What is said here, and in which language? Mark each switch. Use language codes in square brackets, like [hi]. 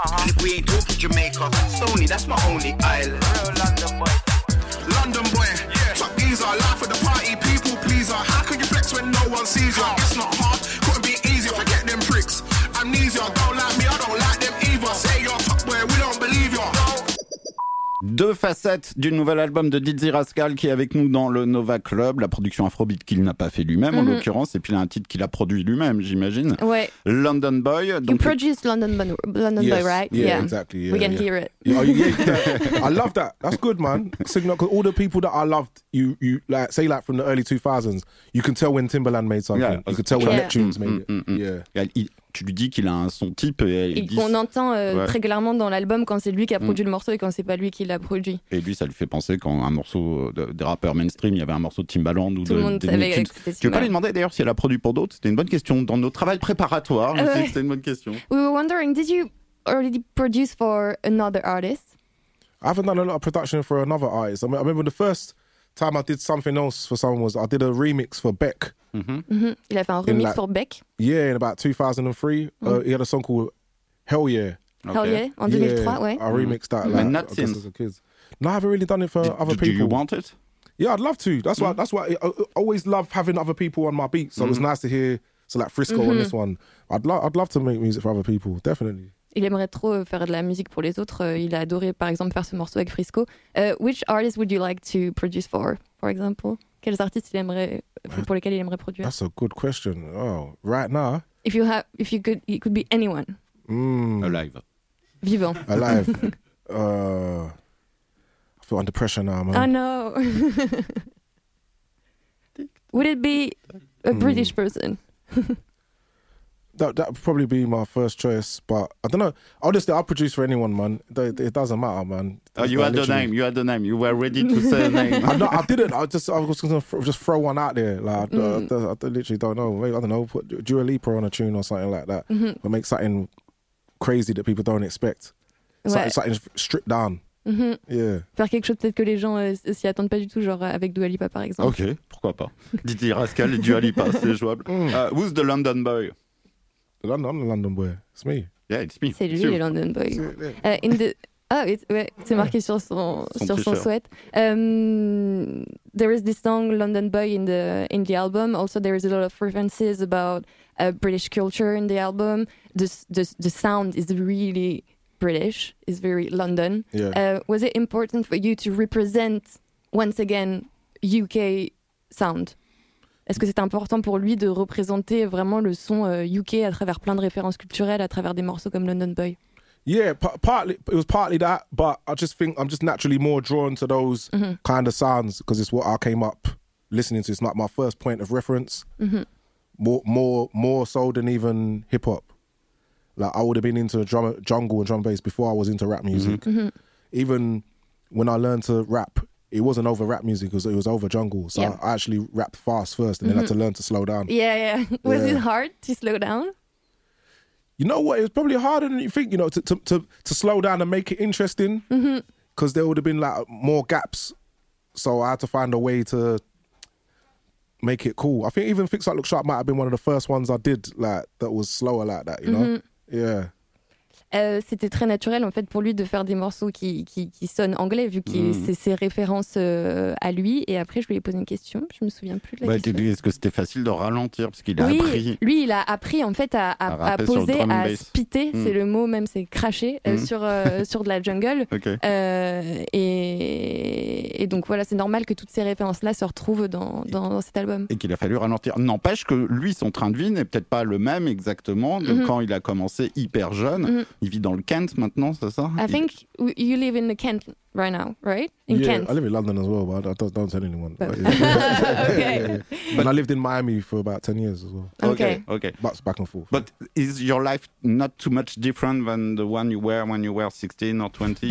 [en] And if we ain't talking Jamaica, Stony, that's my only island. Real London boy. London boy. Yeah. Chuck Easer, life at the party, people pleaser. How can you flex when no one sees you? It's not hard, couldn't be easy. Forget them pricks. Amnesia, don't like me, I don't like them either. Say you're top boy, we don't believe you. [fr] Deux facettes du nouvel album de Dizzy Rascal qui est avec nous dans le Nova Club, la production Afrobeat qu'il n'a pas fait lui-même en l'occurrence, et puis il a un titre qu'il a produit lui-même, j'imagine. Ouais. [en] London Boy. Donc... You produced London Boy, right? Yeah, exactly. Yeah, we can hear it. Yeah, I love that. That's good, man. Signal, because all the people that I loved, you like say like from the early 2000s, you can tell when Timbaland made something. Yeah, you can tell when Neptune's made it. Yeah. [fr] Yeah, tu lui dis qu'il a un son type. Et on entend ouais. régulièrement dans l'album quand c'est lui qui a produit le morceau et quand c'est pas lui qui l'a produit. Et lui, ça lui fait penser quand un morceau des rappeurs mainstream, il y avait un morceau de Timbaland ou Tu veux pas lui demander d'ailleurs si elle a produit pour d'autres? C'était une bonne question. Dans nos travaux préparatoires, je sais que c'était une bonne question. [en] We were wondering, did you already produce for another artist? I haven't done a lot of production for another artist. I remember the first time I did something else for someone was I did a remix for Beck. [fr] Il a fait un remix pour Beck. [en] Yeah, in about 2003. He had a song called Hell Yeah. Okay. Hell Yeah, en 2003, I remixed that. Like, and that's since. No, I haven't really done it for other people. Do you want it? Yeah, I'd love to. That's why, I always love having other people on my beat. So it was nice to hear like Frisco on this one. I'd love to make music for other people, definitely. [fr] Il aimerait trop faire de la musique pour les autres. Il a adoré, par exemple, faire ce morceau avec Frisco. [en] Which artist would you like to produce for example? [fr] Quels artistes il aimerait, pour lesquels il aimerait produire? [en] That's a good question. Oh, right now. If you could, it could be anyone. Alive. [fr] Vivant. [en] Alive. I feel under pressure now, man. I know. Would it be a British person? That would probably be my first choice, but I don't know. Honestly, I'll produce for anyone, man. It doesn't matter, man. Oh, you had the name. You had the name. You were ready to say a name. I didn't. I was just going to throw one out there. Like, I literally don't know. Maybe, I don't know. Put Dua Lipa on a tune or something like that. Mm-hmm. But make something crazy that people don't expect. Something stripped down. Mm-hmm. Yeah. [fr] Faire quelque chose peut-être que les gens s'y attendent pas du tout, genre avec Dua Lipa, par exemple. Ok, pourquoi pas. Dizzy Rascal et Dua Lipa, c'est jouable. [en] Who's the London boy? I'm the London boy. It's me. Yeah, it's me. [fr] C'est lui, le London boy. C'est marqué sur son sweat. [en] There is this song "London Boy" in the album. Also, there is a lot of references about British culture in the album. The sound is really British. It's very London. Yeah. Was it important for you to represent once again UK sound? [fr] Est-ce que c'est important pour lui de représenter vraiment le son UK à travers plein de références culturelles, à travers des morceaux comme London Boy? [en] Yeah, it was partly that, but I just think I'm just naturally more drawn to those kind of sounds because it's what I came up listening to. It's like my first point of reference, more so than even hip hop. Like I would have been into jungle and drum bass before I was into rap music. Mm-hmm. Even when I learned to rap. It wasn't over rap music, it was over jungle. So I actually rapped fast first and then had to learn to slow down. Yeah, yeah. Was it hard to slow down? You know what? It was probably harder than you think, you know, to slow down and make it interesting. Mm-hmm. because there would have been like more gaps. So I had to find a way to make it cool. I think even Fix That Look Sharp might have been one of the first ones I did like that was slower like that, you know? Mm-hmm. Yeah. [fr] C'était très naturel en fait pour lui de faire des morceaux qui sonnent anglais vu que c'est ses références à lui. Et après, je lui ai posé une question, je ne me souviens plus de la question. Est-ce que c'était facile de ralentir parce qu'il a appris. Lui, il a appris en fait à poser, à spitter, c'est le mot même, c'est cracher sur de la jungle. [en] Okay. [fr] Et donc voilà, c'est normal que toutes ces références-là se retrouvent dans cet album. Et qu'il a fallu ralentir. N'empêche que lui, son train de vie n'est peut-être pas le même exactement de quand il a commencé hyper jeune. Mm-hmm. Il vit dans le Kent maintenant, c'est ça? [en] I think you live in the Kent right now, right? In yeah, Kent. I live in London as well, but I don't tell anyone. But okay. Yeah, yeah. And I lived in Miami for about 10 years as well. Okay, okay. But back and forth. But is your life not too much different than the one you were when you were 16 or 20?